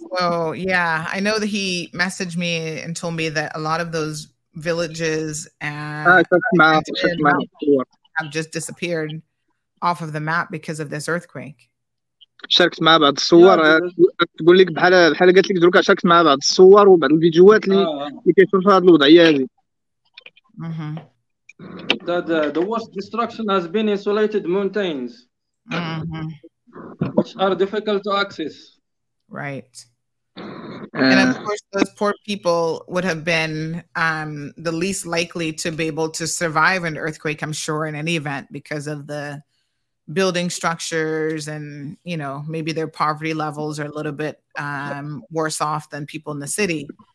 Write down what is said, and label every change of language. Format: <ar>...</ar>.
<en>So yeah, I know that he messaged me and told me that a lot of those villages and have just disappeared off of the map because of this earthquake.</en> <ar>شاركت مع بعض الصور تقول لك بحال بحال قالت لك دروك شاركت مع بعض الصور وبعض الفيديوهات اللي كيشوفوا هذه الوضعيه هذه</ar> <en>the worst destruction has been insulated mountains which are difficult to access right and of course those poor people would have been the least likely to be able to survive an earthquake I'm sure in any event because of the building structures and, you know, maybe their poverty levels are a little bit worse off than people in the city.</en>